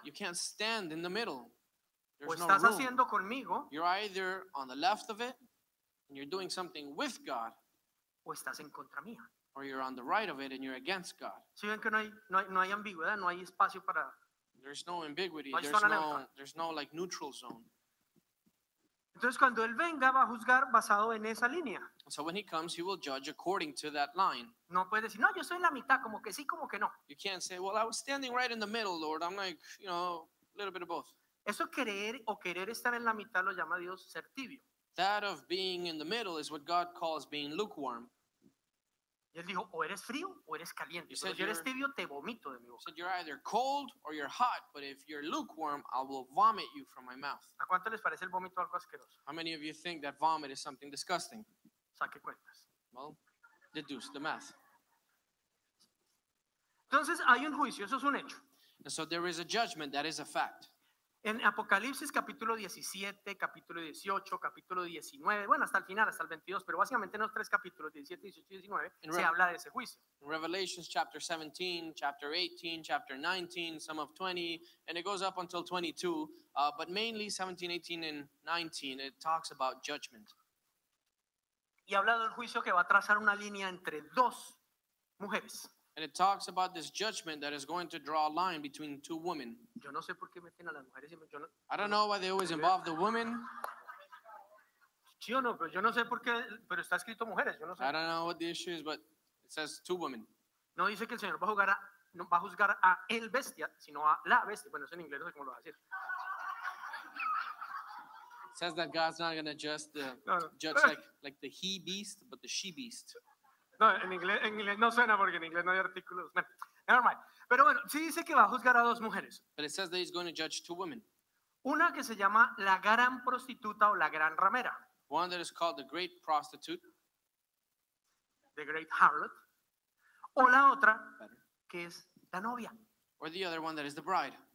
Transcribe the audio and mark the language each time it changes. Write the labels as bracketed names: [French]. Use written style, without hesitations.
[English] You can't stand in the middle. There's no room. [Spanish] O estás haciendo conmigo. [English] You're either on the left of it, and you're doing something with God. [Spanish] O estás en contra mía. [English] Or you're on the right of it and you're against God. [Spanish] Si ven que no hay ambigüedad, no hay espacio para. [English] There's no ambiguity. [Spanish] No hay [English] there's no like neutral zone. [Spanish] Entonces cuando él venga va a juzgar basado en esa línea. [English] So when he comes, he will judge according to that line. [Spanish] No puede decir, no, yo estoy en la mitad, como que sí, como que no. [English] You can't say, well, I was standing right in the middle, Lord. I'm like, you know, a little bit of both. [Spanish] Eso creer o querer estar en la mitad lo llama Dios ser tibio. [English] That of being in the middle is what God calls being lukewarm. [Spanish] Y él dijo, o eres frío o eres caliente. Pero si eres tibio, te vomito de mi boca. [English] Said you're either cold or you're hot, but if you're lukewarm, I will vomit you from my mouth. [Spanish] ¿A cuánto les parece el vómito algo asqueroso? [English] How many of you think that vomit is something disgusting? [Spanish] Saque cuentas. [English] Well, deduce the math. [Spanish] Entonces hay un juicio, eso es un hecho. [English] And so there is a judgment, that is a fact. [Spanish] En Apocalipsis capítulo 17, capítulo 18, capítulo 19, bueno, hasta el final, hasta el 22, pero básicamente en los tres capítulos, 17, 18 y 19, se habla de ese juicio. [English] In Revelations chapter 17, chapter 18, chapter 19, some of 20, and it goes up until 22, but mainly 17, 18, and 19, it talks about judgment. [Spanish] Y habla del juicio que va a trazar una línea entre dos mujeres. [English] And it talks about this judgment that is going to draw a line between two women. [Spanish] Yo no sé por qué meten a las mujeres. [English] I don't know why they always involve the women. [Spanish] Sí o no, pero yo no sé por qué, pero está escrito mujeres, yo no sé. [English] I don't know what the issue is, but it says two women. [Spanish] No dice que el Señor va a juzgar a el bestia, sino a la bestia. Bueno, es en inglés, no sé cómo lo va a decir. [English] It says that God's not going to judge like the he beast, but the she beast. [Spanish] No, en inglés no suena porque en inglés no hay artículos. [English] Never mind. [Spanish] Pero bueno, sí dice que va a juzgar a dos mujeres. [English] But it says that he's going to judge two women. [Spanish] Una que se llama la gran prostituta o la gran ramera. [English] One that is called the great prostitute. The great harlot. [Spanish] O la otra, que es la novia. [English] Or the other one that is the bride.